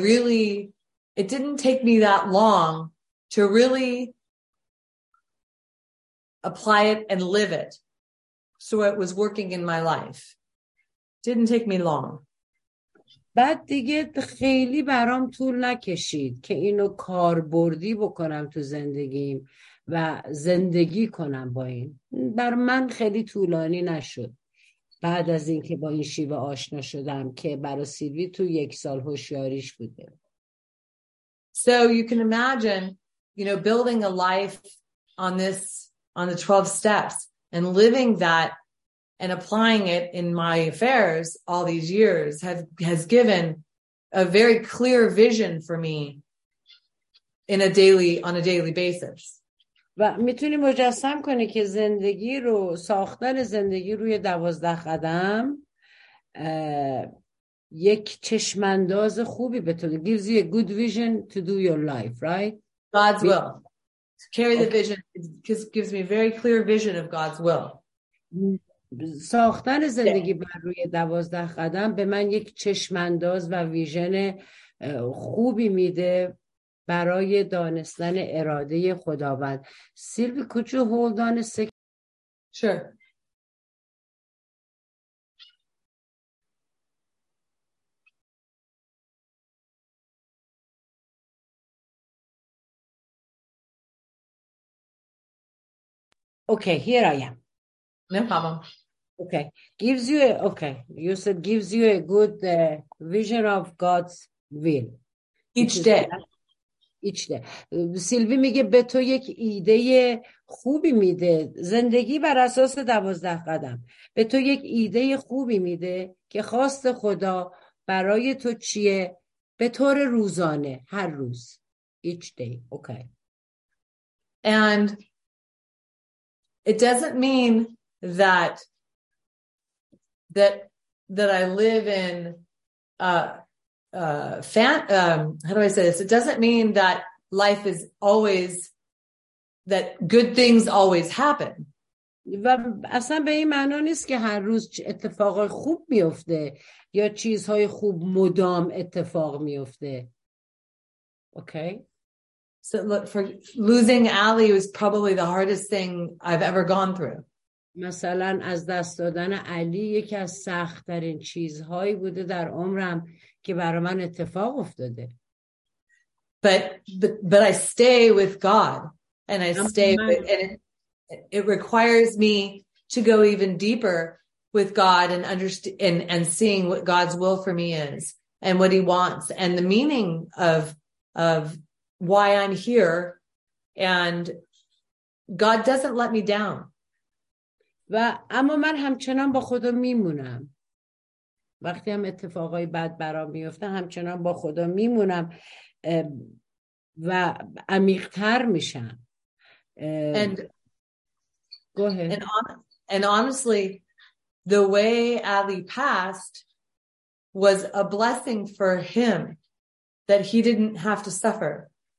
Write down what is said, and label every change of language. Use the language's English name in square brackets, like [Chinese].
[English] it didn't take me that long to really apply it and live it. So it was working in my life. Didn't take me long. [Persian] بعد دیگه خیلی برام طول نکشید که اینو کاربردی بکنم تو زندگیم و زندگی کنم با این. بر من خیلی طولانی نشد. بعد از اینکه با این شیوه آشنا شدم که برای سیلوی تو یک سال هوشیاریش بوده. [English] So you can imagine, you know, building a life on this, on the 12 steps and living that and applying it in my affairs all these years has given a very clear vision for me in a daily, on a daily basis. [Persian] و میتونی مجسم کنی که زندگی رو ساختن زندگی روی 12 قدم یک چشمانداز خوبی به تو [English] gives you a good vision to do your life, right? God's will. To carry the vision gives me very clear vision of God's will. [Persian] ساختن زندگی بر روی 12 قدم به من یک چشمانداز و ویژن خوبی میده برای دانستن اراده خداوند. [English] Sylvie could you hold on a second? Sure. Okay, here I am. No problem. Okay. You said gives you a good vision of God's will. Each day. [Persian] سیلوی میگه به تو یک ایده خوبی میده. زندگی بر اساس 12 قدم. به تو یک ایده خوبی میده که خواست خدا برای تو چیه؟ به طور روزانه. هر روز. [English] Each day. Okay. And it doesn't mean that I live in it doesn't mean that life is always that good things always happen. [Persian] و اصلا به این معنا نیست که هر روز اتفاق خوب میفته یا چیزهای خوب مدام اتفاق میفته. [English] Okay. So look, for losing Ali was probably the hardest thing I've ever gone through. [Persian] مثلا از دست دادن علی یکی از سخت‌ترین چیزهایی بوده در عمرم که برای من اتفاق افتاده. [English] But I stay with God and I stay and it requires me to go even deeper with God and understand and seeing what God's will for me is and what he wants and the meaning of why I'm here, and God doesn't let me down. [Persian] و اما من همچنان با خدا میمونم. وقتی هم اتفاقای بد برام میفته همچنان با خدا میمونم و عمیق‌تر میشم. [English] And honestly, the way Ali passed was a blessing for him that he didn't have to suffer.